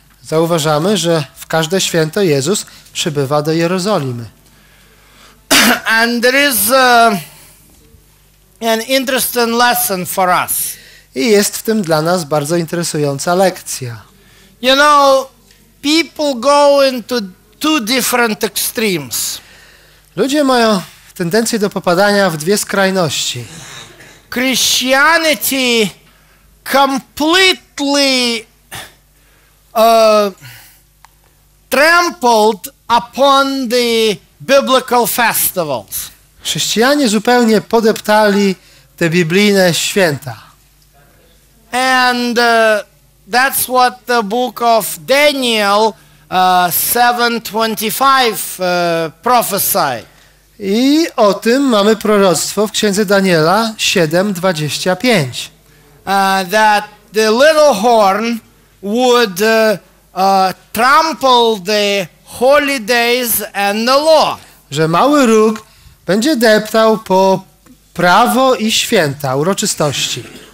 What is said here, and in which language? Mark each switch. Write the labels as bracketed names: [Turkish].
[Polish] Zauważamy, że w każde święto Jezus przybywa do Jerozolimy. [English] And there is an interesting lesson for us. [Polish] I jest w tym dla nas bardzo interesująca lekcja. [English] You know, people go into two different extremes. [Polish] Ludzie mają tendencję do popadania w dwie skrajności. [English] Christianity completely trampled upon the biblical festivals. [Polish] Chrześcijanie zupełnie podeptali te biblijne święta. [English] And that's what the book of Daniel 7:25 prophesied. [Polish] I o tym mamy proroctwo w księdze Daniela 7:25. [English] That the little horn would trample the holy days and the law. [Polish] Że mały róg będzie deptał po prawo i święta, uroczystości.